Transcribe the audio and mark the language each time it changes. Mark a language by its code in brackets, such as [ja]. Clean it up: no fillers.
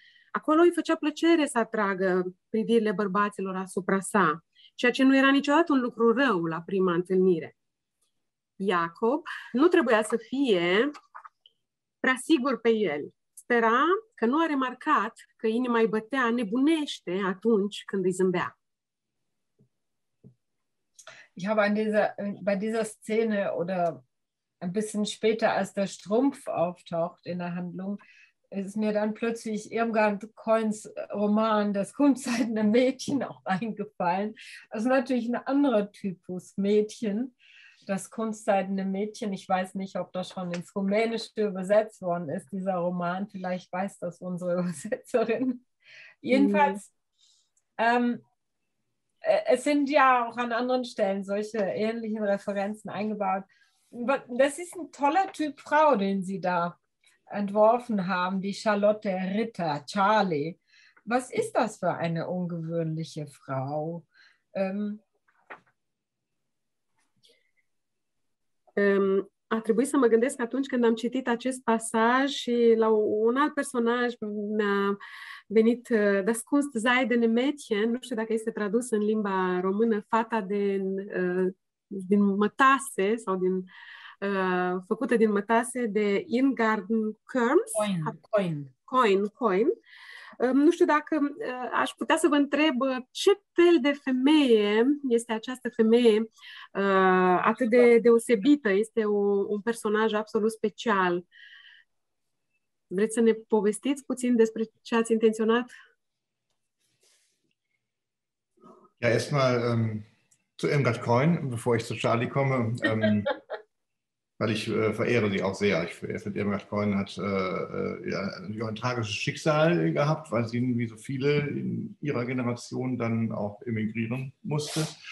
[ro] Acolo îi făcea plăcere să atragă privirile bărbaților asupra sa, ceea ce nu era niciodată un lucru rău la prima întâlnire. Iacob nu trebuia să fie prea sigur pe el. Spera că nu a remarcat că inima îi bătea nebunește atunci când îi zâmbea. [de] Ich habe an dieser, bei dieser Szene oder ein bisschen später, als der Strumpf auftaucht in der Handlung, ist mir dann plötzlich Irmgard Keuns Roman Das kunstseidene Mädchen auch eingefallen. Das ist natürlich ein anderer Typus Mädchen. Das kunstseidene Mädchen, ich weiß nicht, ob das schon ins Rumänische übersetzt worden ist, dieser Roman. Vielleicht weiß das unsere Übersetzerin. Jedenfalls, es sind ja auch an anderen Stellen solche ähnlichen Referenzen eingebaut. Das ist ein toller Typ Frau, den Sie da entworfen haben, die Charlotte Ritter, Charlie. Was ist das für eine ungewöhnliche Frau? [ro] A trebuit să mă gândesc atunci când am citit acest pasaj și la un alt personaj mi-a venit Das kunstseidene Mädchen, nu știu dacă este tradus în limba română, fata din mătase sau din făcută din mătase de Irmgard Kerms. Coin. Nu știu dacă aș putea să vă întreb ce fel de femeie este această femeie atât de deosebită. Este un personaj absolut special. Vreți să ne povestiți puțin despre ce ați intenționat? [de] Ja, erstmal zu Irmgard Keun, bevor ich zu Charlie komme, weil ich verehre sie auch sehr. Ich finde, Irmgard Keun hat ein tragisches Schicksal gehabt, weil sie, wie so viele in ihrer Generation, dann auch emigrieren musste.